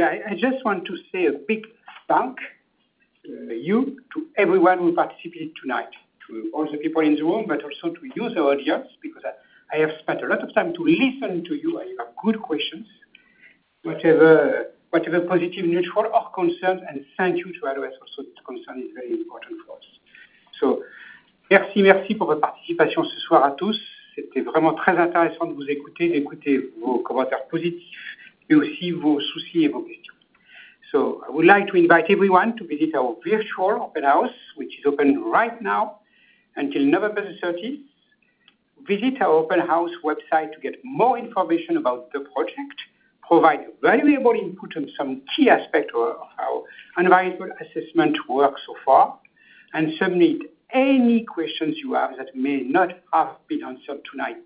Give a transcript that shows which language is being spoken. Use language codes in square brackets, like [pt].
[en] I just want to say a big thank you to everyone who participated tonight, to all the people in the room, but also to you, the audience, because I have spent a lot of time to listen to you. I have good questions, whatever positive, neutral, or concerns, and thank you to address also the concern is very important for us. So, [fr] merci pour votre participation ce soir à tous. C'était vraiment très intéressant de vous écouter, d'écouter vos commentaires positifs, mais aussi vos soucis et vos questions. [en] So, I would like to invite everyone to visit our virtual open house, which is open right now until November the 30th. Visit our open house website to get more information about the project, provide valuable input on some key aspects of our environmental assessment work so far, and submit any questions you have that may not have been answered tonight.